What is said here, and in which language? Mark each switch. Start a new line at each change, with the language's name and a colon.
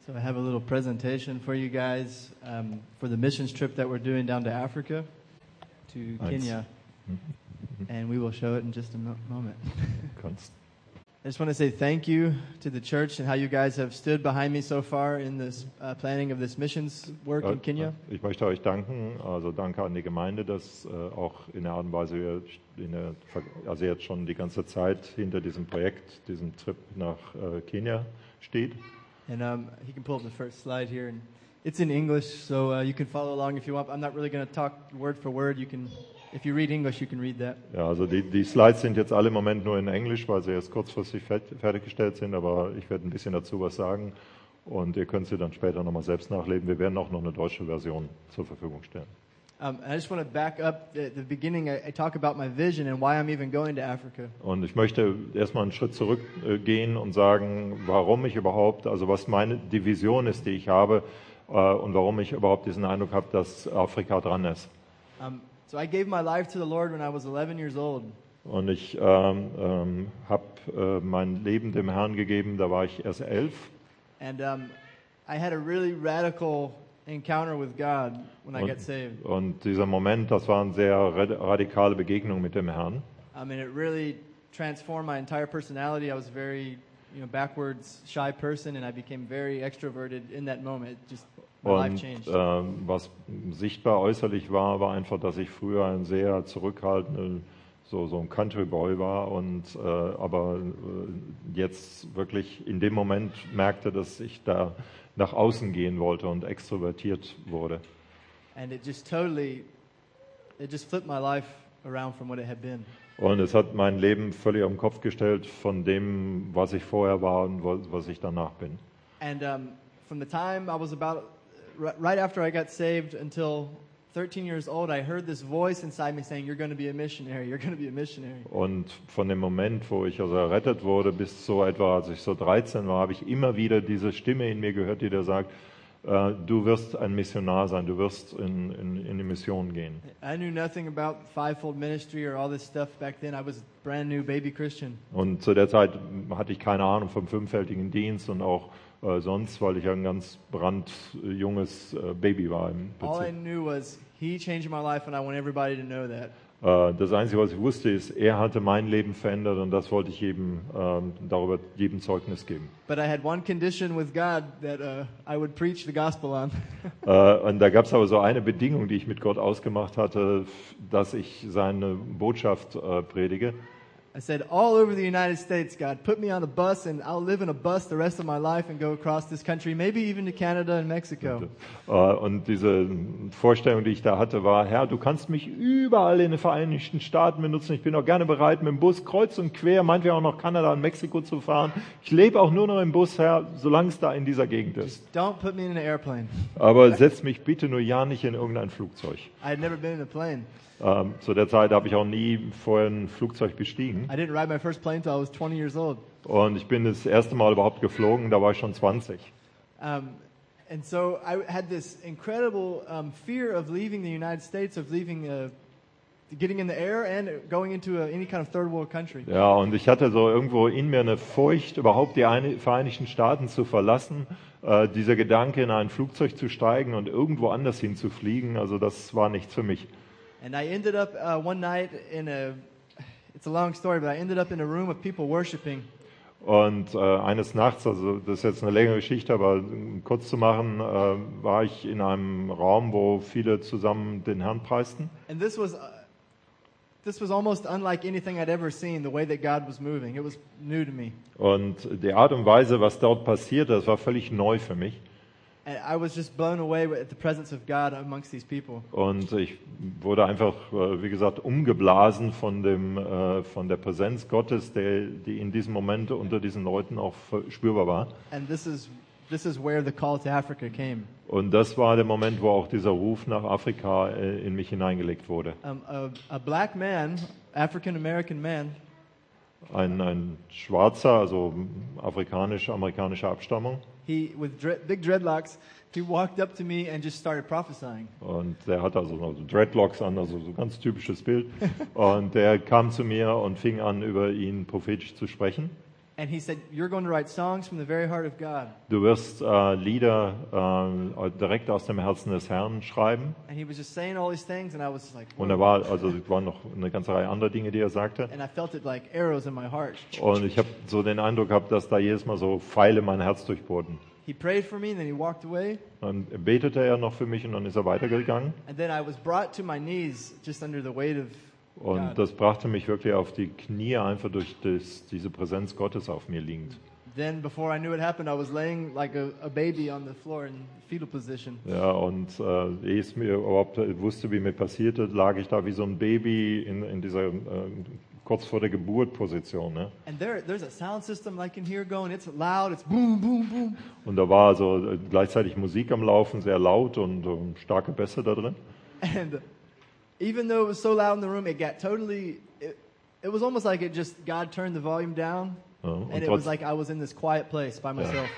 English: So I have a little presentation for you guys for the missions trip that we're doing down to Africa, to Kenya, and we will show it in just a moment. I just want to say thank you to the church and how you guys have stood behind me so far in this planning of this missions work in Kenya.
German: Ich möchte euch danken, also danke an die Gemeinde, dass auch in der Art und Weise wir in der, also jetzt schon die ganze Zeit hinter diesem Projekt, diesem Trip nach Kenia steht.
English: And he can pull up the first slide here, and it's in English, so you can follow along if you want. I'm not really going to talk word for word. You can, if you read English, you can read that.
German: Ja, also die Slides sind jetzt alle im Moment nur in Englisch, weil sie erst kurzfristig fertiggestellt sind. Aber ich werde ein bisschen dazu was sagen, und ihr könnt sie dann später nochmal selbst nachlesen. Wir werden auch noch eine deutsche Version zur Verfügung stellen.
English: I just want to back up the beginning. I talk about my vision and why I'm even going to Africa.
German: Und ich möchte erstmal einen Schritt zurückgehen und sagen, warum ich überhaupt, also was meine Vision ist, die ich habe, und warum ich überhaupt diesen Eindruck habe, dass Afrika dran ist.
English: So I gave my life to the Lord when I was 11 years old.
German: Und ich habe mein Leben dem Herrn gegeben, da war ich erst 11.
English: And I had a really radical encounter with God when I got saved.
German: Und dieser Moment, das war eine sehr radikale Begegnung mit dem Herrn.
English: I mean, it really transformed my entire personality. I was a very, you know, backwards, shy person, and I became very extroverted in that moment. Just my life changed.
German: Und was sichtbar äußerlich war, war einfach, dass ich früher ein sehr zurückhaltender, so ein Country Boy war, und aber jetzt wirklich in dem Moment merkte, dass ich da nach außen gehen wollte und extrovertiert wurde.
English: And it just totally, it just flipped my life around from what it had been.
German: Und es hat mein Leben völlig auf den Kopf gestellt von dem, was ich vorher war und was ich danach bin.
English: And from the time I was about right after I got saved until 13 years old, I heard this voice inside me saying, you're going to be a missionary, you're going to be a missionary.
German: Und von dem Moment, wo ich also errettet wurde, bis so etwa, als ich so 13 war, habe ich immer wieder diese Stimme in mir gehört, die da sagt, du wirst ein Missionar sein, du wirst in die Mission gehen.
English: I knew nothing about fivefold ministry or all this stuff back then. I was a brand new baby Christian.
German: Und zu der Zeit hatte ich keine Ahnung vom fünffältigen Dienst und auch sonst, weil ich ein ganz brandjunges Baby war im Prinzip.
English: All I knew was, he changed my life and I want everybody to know that.
German: Das Einzige, was ich wusste, ist, er hatte mein Leben verändert, und das wollte ich eben darüber jedem Zeugnis geben.
English: But I had one condition with God that I would preach the gospel on.
German: Und da gab es aber so eine Bedingung, die ich mit Gott ausgemacht hatte, dass ich seine Botschaft predige.
English: I said, all over the United States, God, put me on a bus and I'll live in a bus the rest of my life and go across this country, maybe even to Canada and Mexico.
German: Und diese Vorstellung, die ich da hatte, war, Herr, du kannst mich überall in den Vereinigten Staaten benutzen. Ich bin auch gerne bereit, mit dem Bus kreuz und quer, meinetwegen auch noch Kanada und Mexiko zu fahren. Ich lebe auch nur noch im Bus, Herr, solange es da in dieser Gegend ist.
English: Just don't put me in an airplane.
German: Aber setz mich bitte nur ja nicht in irgendein Flugzeug.
English: I had never been in a plane.
German: Zu der Zeit habe ich auch nie vorher ein Flugzeug bestiegen.
English: I didn't ride my first plane till I was 20 years old.
German: Und ich bin das erste Mal überhaupt geflogen, da war ich schon 20.
English: And so I had this incredible fear of leaving the United States, of leaving getting in the air and going into any kind of third world country.
German: Ja, und ich hatte so irgendwo in mir eine Furcht, überhaupt die Vereinigten Staaten zu verlassen. Dieser Gedanke, in ein Flugzeug zu steigen und irgendwo anders hinzufliegen, also das war nichts für mich.
English: And I ended up one night in a, it's a long story, but I ended up in a room of people worshiping.
German: Und eines Nachts, also das ist jetzt eine längere Geschichte, aber kurz zu machen, war ich in einem Raum, wo viele zusammen den Herrn preisten.
English: And this was almost unlike anything I'd ever seen, the way that God was moving. It was new to me.
German: Und die Art und Weise, was dort passierte, das war völlig neu für mich.
English: And I was just blown away with the presence of God amongst these people.
German: Und ich wurde einfach, wie gesagt, umgeblasen von dem, von der Präsenz Gottes, die in diesem Moment unter diesen Leuten auch spürbar war.
English: And this is where the call to Africa came.
German: Und das war der Moment, wo auch dieser Ruf nach Afrika in mich hineingelegt wurde.
English: A black man, African-American man.
German: Ein schwarzer, also afrikanisch-amerikanischer Abstammung.
English: He with big dreadlocks, he walked up to me and just started prophesying.
German: Und der hat also noch Dreadlocks an, also so ganz typisches Bild. Und der kam zu mir und fing an, über ihn prophetisch zu sprechen.
English: And he said, "You're going to write songs from the very heart of God."
German: Du wirst Lieder direkt aus dem Herzen des Herrn schreiben.
English: And he was just saying all these things, and I was like.
German: Und er war also waren noch eine ganze Reihe anderer Dinge, die er sagte.
English: And I felt it like arrows in my heart.
German: Und ich habe so den Eindruck gehabt, dass da jedes Mal so Pfeile mein Herz durchbohrten.
English: He prayed for me, and then he walked away.
German: Dann betete er noch für mich und dann ist er weitergegangen.
English: And then I was brought to my knees, just under the weight of.
German: Und das brachte mich wirklich auf die Knie, einfach durch das, diese Präsenz Gottes auf mir liegend.
English: Then before I knew it happened, I was laying like a baby on the floor in fetal position.
German: Ja, und ehe ich mir überhaupt wusste, wie mir passierte, lag ich da wie so ein Baby in dieser kurz vor der Geburt Position, ne?
English: And there's a sound system I can hear going. It's loud. It's boom, boom, boom.
German: Und da war also gleichzeitig Musik am Laufen, sehr laut und starke Bässe da drin.
English: And even though it was so loud in the room, it got totally. It was almost like it just God turned the volume down, and it was like I was in this quiet place by myself.